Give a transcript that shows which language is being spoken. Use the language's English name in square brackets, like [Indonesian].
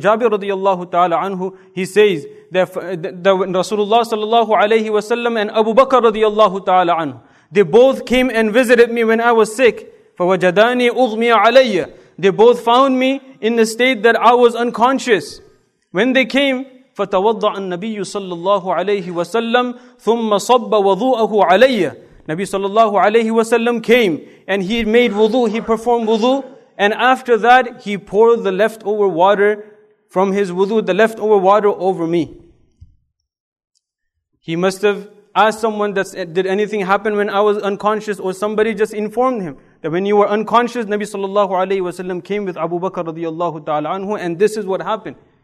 [English] Jabir radiyallahu ta'ala anhu, he says that when Rasulullah sallallahu alaihi wasallam and Abu Bakr radiyallahu ta'ala anhu, they both came and visited me when I was sick. [Arabic] فَوَجَدَانِي أُغْمِيَ عَلَيَّ, [English] they both found me in the state that I was unconscious. When they came, [Arabic] فَتَوَضَّعَ النَّبِيُّ صَلَّى اللَّهُ عَلَيْهِ وَسَلَّمْ ثُمَّ صَبَّ وَضُوءَهُ عَلَيَّ. [English] Nabi sallallahu alayhi wa sallam came and he made wudu, he performed wudu, and after that he poured the leftover water from his wudu, the leftover water over me. He must have asked someone, that did anything happen when I was unconscious, or somebody just informed him that when you were unconscious, Nabi sallallahu alayhi wa sallam came with Abu Bakr radiyallahu ta'ala anhu, and this is what happened.